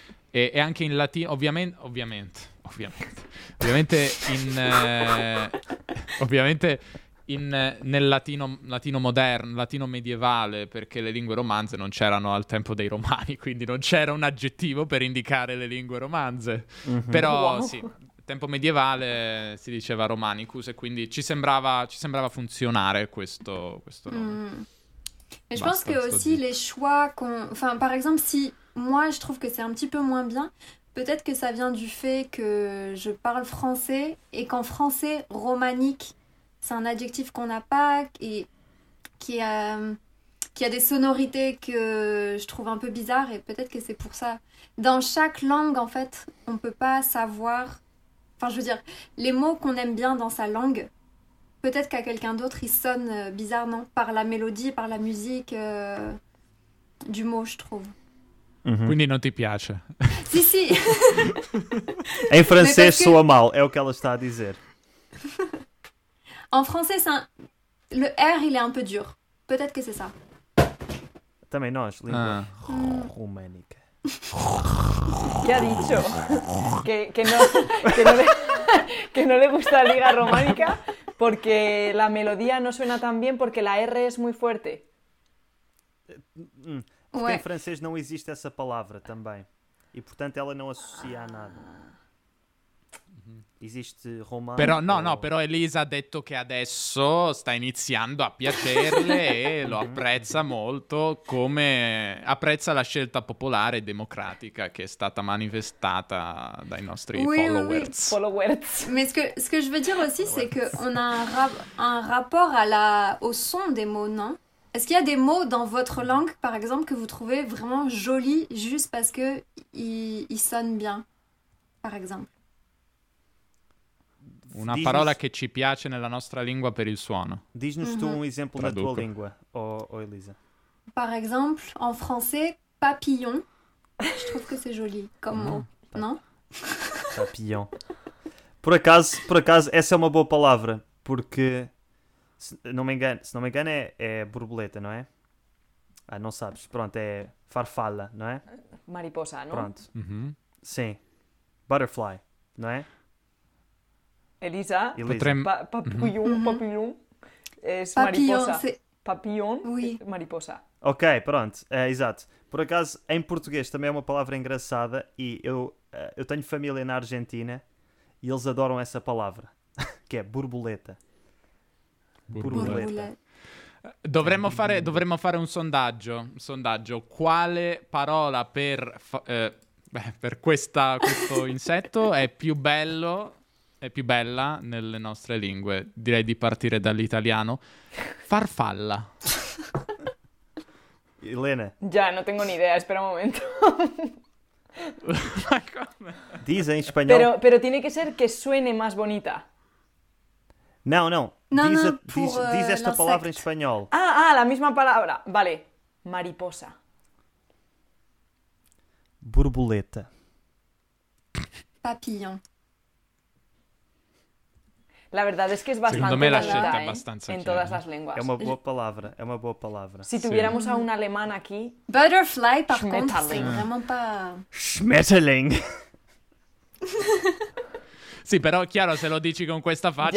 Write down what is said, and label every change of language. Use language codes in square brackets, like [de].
[it] E anche in latino, latino medievale, perché le lingue romanze non c'erano al tempo dei romani, quindi non c'era un aggettivo per indicare le lingue romanze. Però sì, tempo medievale si diceva romanicus, e quindi ci sembrava funzionare questo nome. [fr] Mais je pense que aussi les choix qu'on, enfin par exemple si moi je trouve que c'est un petit peu moins bien, peut-être que ça vient du fait que je parle français et qu'en français romanique c'est un adjectif qu'on n'a pas et qui a des sonorités que je trouve un peu bizarres et peut-être que c'est pour ça. Dans chaque langue en fait on peut pas savoir, enfin je veux dire les mots qu'on aime bien dans sa langue. Peut-être qu'à quelqu'un d'autre, il sonne bizarrement par la mélodie, par la musique du mot, je trouve. [it] Quindi non ti piace. Si, si. [fr] En français, [pt] soa mal, é o que ela está a dizer. [fr] En français, c'est un... le R, il est un peu dur. Peut-être que c'est ça. [pt] Também nós, língua românica. [es] ¿Qué ha dicho? Que no le gusta la liga románica porque la melodía no suena tan bien porque la R es muy fuerte. Porque en francés no existe esa palabra también. Y por tanto, ella no asocia a nada. Existe romano. Pero pero Elisa ha dicho que [it] adesso [es] está iniciando [it] a piacerle y lo apprezza molto, como apprezza la scelta popolare e democratica che è stata manifestata dai nostri followers. [fr] Mais ce que je veux dire aussi c'est que on a un rapport au son des mots, non? Est-ce qu'il y a des mots dans votre langue par exemple que vous trouvez vraiment jolis juste parce que ils sonnent bien? Par exemple, [it] una parola che ci piace nella nostra lingua per il suono. [fr] Dis-nous tu [it] un esempio nella tua lingua, o Elisa. [fr] Par exemple, en français, papillon. Je trouve que c'est joli, comme mot, non? Papillon. [pt] Por acaso, essa é uma boa palavra, porque, se não me engano, é borboleta, não é? Ah, não sabes. Pronto, é farfalha, não é? Mariposa, não? Pronto. Sim. Butterfly, não é? [es] Elisa, papillon es mariposa. Papillon, [fr] oui. [es] Mariposa. [pt] Ok, pronto, exato. Por acaso, em português também é uma palavra engraçada e eu tenho família na Argentina e eles adoram essa palavra, que é borboleta. Borboleta. [it] Dovremmo fare un sondaggio. Quale parola per... Beh, per questo insetto è più bella nelle nostre lingue. Direi di partire dall'italiano. Farfalla. Elena. Già, [es] non tengo ni idea, espera un momento. [it] Dice in spagnolo. Però [es] tiene [it] che essere che [es] suene más bonita. [it] No. Dice questa parola in spagnolo. [es] Ah, la misma [it] parola. [es] Vale. Mariposa. [pt] Burbuleta. [fr] Papillon. [es] La verdad es que es bastante [it] secondo me la scelta bella, abbastanza [es] en todas las lenguas. [it] È una buona parola. [es] Si tuviéramos un alemán aquí. [fr] Butterfly, par contre, vraiment pas. [de] Schmetterling. [it] Sì, però è chiaro se lo dici con questa faccia.